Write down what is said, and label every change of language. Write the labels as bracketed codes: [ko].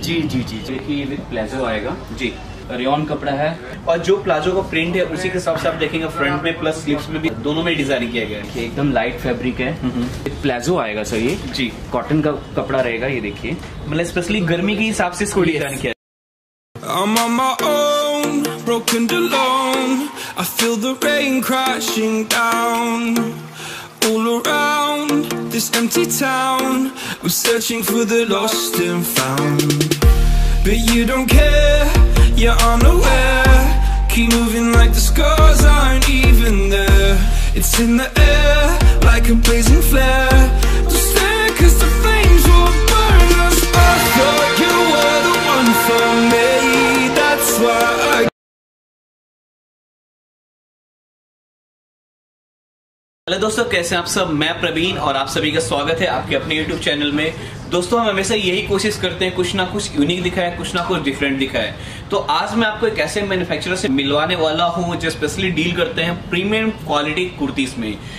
[hi] जी जी जी। देखिए ये with palazzo आएगा जी, रियॉन कपड़ा है और जो प्लाजो का प्रिंट है उसी के हिसाब से आप देखेंगे फ्रंट में प्लस स्लीव्स में भी दोनों में डिजाइन किया गया है। एकदम लाइट फैब्रिक है, प्लाजो आएगा सर ये जी, कॉटन का कपड़ा रहेगा। ये देखिए मतलब स्पेशली गर्मी के हिसाब से इसको डिजाइन किया। [en] I'm on my own, broken and alone. I feel the rain crashing down. All around this empty town, we're searching for the lost and found. But you don't care, you're unaware. Keep moving like the scars aren't even there. It's in the air, like a blazing flare. Don't stare, cause the flames will burn us. I thought you were the one for me, that's why I. [hi] Hello दोस्तों, कैसे हैं आप सब। मैं प्रवीण और आप सभी का स्वागत है आपके अपने YouTube चैनल में। दोस्तों हम हमेशा यही कोशिश करते हैं कुछ ना कुछ यूनिक दिखाएं, कुछ ना कुछ डिफरेंट दिखाएं। तो आज मैं आपको एक ऐसे मैन्युफैक्चरर से मिलवाने वाला हूं जो स्पेशली डील करते हैं प्रीमियम क्वालिटी कुर्तीज में।